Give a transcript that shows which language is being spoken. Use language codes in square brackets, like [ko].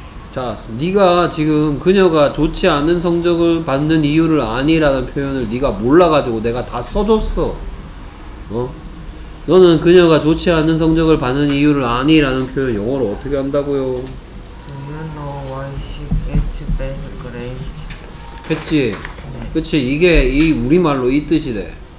[ko] 자, 네가 지금 그녀가 좋지 않은 성적을 받는 이유를 아니라는 표현을 네가 몰라가지고 내가 다 써줬어. 어? 너는 그녀가 좋지 않은 성적을 받는 이유를 아니라는 표현 영어로 어떻게 한다고요? [en] Do you know why she gets bad grades? [ko] 했지? 네. 그치? 이게 이 우리말로 이 뜻이래.